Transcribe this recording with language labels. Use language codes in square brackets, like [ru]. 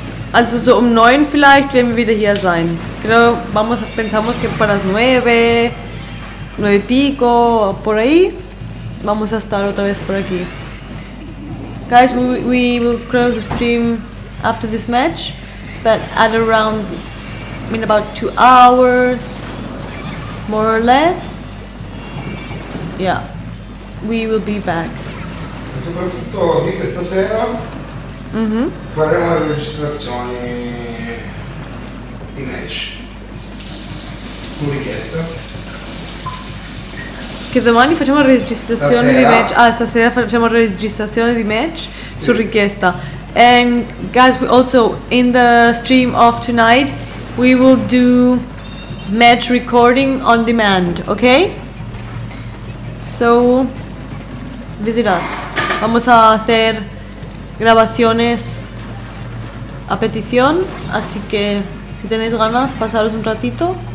[de] Also so um 9 vielleicht werden wir wieder hier sein. [es] Creo, vamos, pensamos que para las 9, 9 y pico, por ahí, vamos a estar otra vez por aquí. [en] Guys, we will close the stream after this match, but at around, in about 2 hours, more or less, yeah, we will be back. [it] E soprattutto di questa sera faremo le registrazioni di match. Su richiesta. Che domani facciamo registrazione stasera. Di match. Ah, stasera facciamo registrazione di match, sì. Su richiesta. [en] And guys, we also in the stream of tonight we will do match recording on demand, okay? So visit us. [es] Vamos a hacer grabaciones a petición, así que si tenéis ganas, pasaros un ratito.